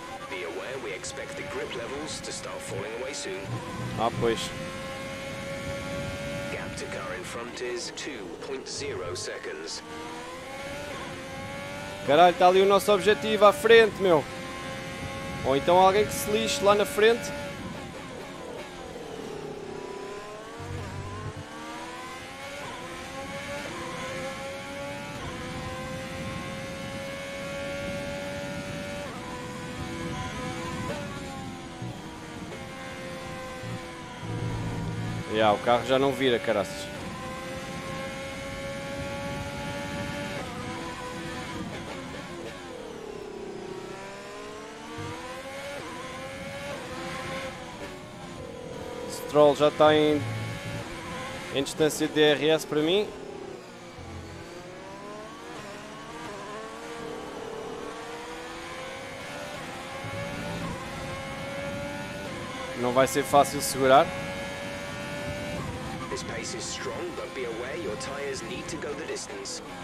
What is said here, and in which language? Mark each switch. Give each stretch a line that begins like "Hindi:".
English: Be aware, we expect the grip levels to start falling away soon.
Portuguese: Ah, pois.
English: Gap to car in front is 2.0 seconds.
Portuguese: Caralho, está ali o nosso objetivo à frente, meu. Ou então alguém que se lixe lá na frente. Yeah, o carro já não vira, caraças. O Stroll já está em distância de DRS para mim. Não vai ser fácil segurar.
English: This pace is strong, but be aware your tires need to go the distance.